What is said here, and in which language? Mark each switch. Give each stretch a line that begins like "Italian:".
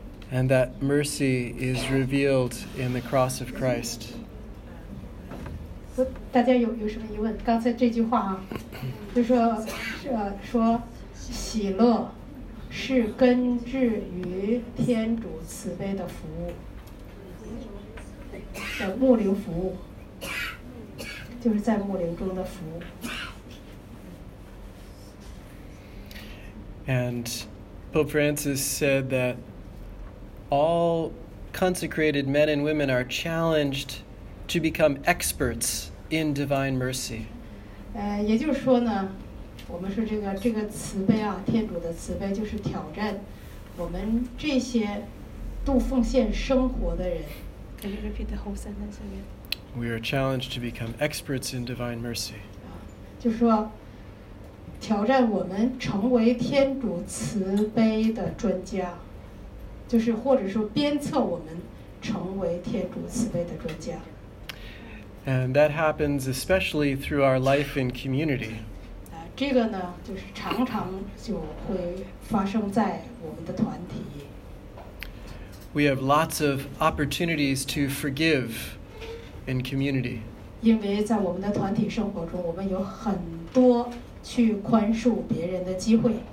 English: And that mercy is revealed in the cross of Christ.
Chinese: 大家有什么疑问？刚才这句话啊，就说说喜乐是根植于天主慈悲的服务，的牧灵服务，就是在牧灵中的服务。
English: And Pope Francis said that all consecrated men and women are challenged to become experts. In divine mercy.
Chinese: 也就是说呢，我们说这个慈悲啊，天主的慈悲就是挑战我们这些度奉献生活的人。
English: Can you repeat the whole sentence again? We are challenged to become experts in divine mercy.
Chinese: 就是说，挑战我们成为天主慈悲的专家，就是或者说鞭策我们成为天主慈悲的专家。
English: And that happens especially through our life in community.
Chinese: 这个呢，就是常常就会发生在我们的团体。
English: We have lots of opportunities to forgive in community.
Chinese: 因为在我们的团体生活中，我们有很多去宽恕别人的机会。